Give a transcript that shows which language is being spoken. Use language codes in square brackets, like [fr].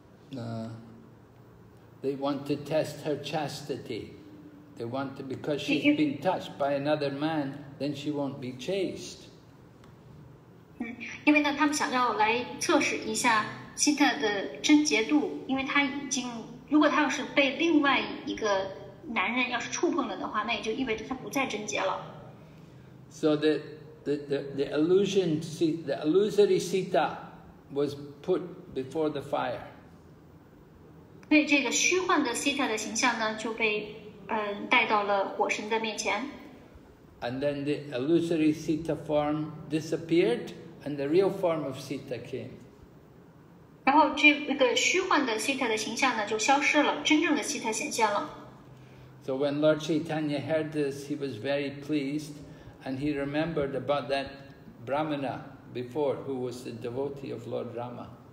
[en] They want to test her chastity. They want to, because she's been touched by another man, then she won't be chaste. [zh] 因为呢，他们想要来测试一下希特的贞洁度，因为他已经，如果他要是被另外一个男人要是触碰了的话，那也就意味着他不再贞洁了。 [en] So the illusory Sita was put before the fire. [zh] 所以这个虚幻的 Sita 的形象呢，就被带到了火神的面前。 [en] And then the illusory Sita form disappeared, and the real form of Sita came. [zh] 然后这个虚幻的 Sita 的形象呢，就消失了，真正的 Sita 显现了。 [en] So when Lord Chaitanya heard this, he was very pleased and he remembered about that Brahmana before who was the devotee of Lord Rama.